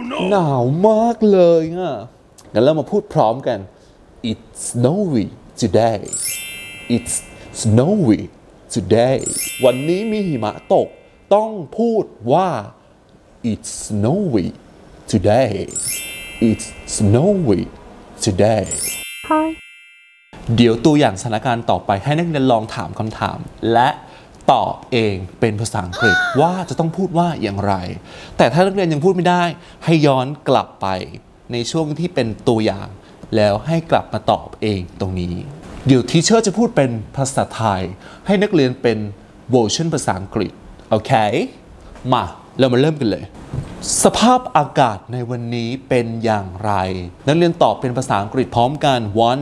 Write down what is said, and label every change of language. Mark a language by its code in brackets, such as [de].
[th] หนาวมากเลยอ่ะงั้นเรามาพูดพร้อมกัน [en] It's snowy today It's snowy today [th] วันนี้มีหิมะตกต้องพูดว่า [en] It's snowy today It's snowy today Hi [th] เดี๋ยวตัวอย่างสถานการณ์ต่อไปให้นักเรียนลองถามคำถามและตอบเองเป็นภาษาอังกฤษว่าจะต้องพูดว่าอย่างไรแต่ถ้านักเรียนยังพูดไม่ได้ให้ย้อนกลับไปในช่วงที่เป็นตัวอย่างแล้วให้กลับมาตอบเองตรงนี้เดี๋ยวทีเชอร์จะพูดเป็นภาษาไทยให้นักเรียนเป็นเวอร์ชันภาษาอังกฤษโอเคมาเรามาเริ่มกันเลยสภาพอากาศในวันนี้เป็นอย่างไรนักเรียนตอบเป็นภาษาอังกฤษพร้อมกัน 1,2,3